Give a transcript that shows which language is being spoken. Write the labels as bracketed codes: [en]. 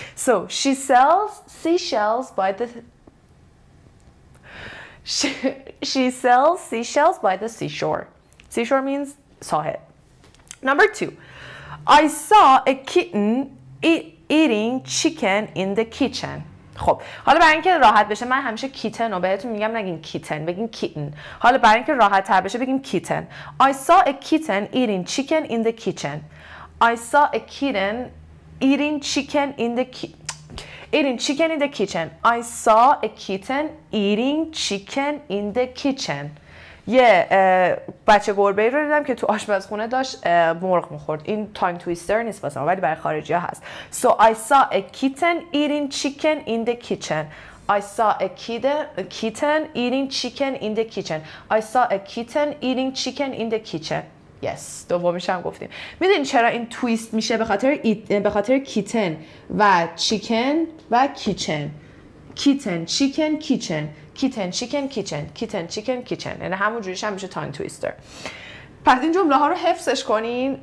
[en] So she sells seashells by the she sells seashells by the seashore. Seashore means ساحل. Number 2. I saw a kitten eating chicken in the kitchen. [fa] خب حالا برای اینکه راحت بشه، من همیشه کیتن رو بهتون میگم، نگین کیتن، بگین کیتن. حالا برای اینکه راحت تر بشه بگیم کیتن. [en] I saw a kitten eating chicken in the kitchen. I saw a kitten eating chicken in the kitchen. I saw a kitten eating chicken in the kitchen. [fa] یه بچه گربه ای رو دیدم که تو آشپزخونه داشت مرغ میخورد. این تانگ تویستر نیست واسه ما، ولی برای خارجی ها هست. [en] So I saw a kitten eating chicken in the kitchen. I saw a kitten eating chicken in the kitchen. I saw a kitten eating chicken in the kitchen. [fa] Yes. دومیش هم گفتیم. میدونی چرا این تویست میشه؟ به خاطر kitten و chicken و kitchen. [en] Kitten, chicken, kitchen. Kitten, chicken, kitchen. Kitten, chicken, kitchen. [fa] یعنی همون جوریش هم میشه تانگ تویستر. پس این جمله ها رو حفظش کنین.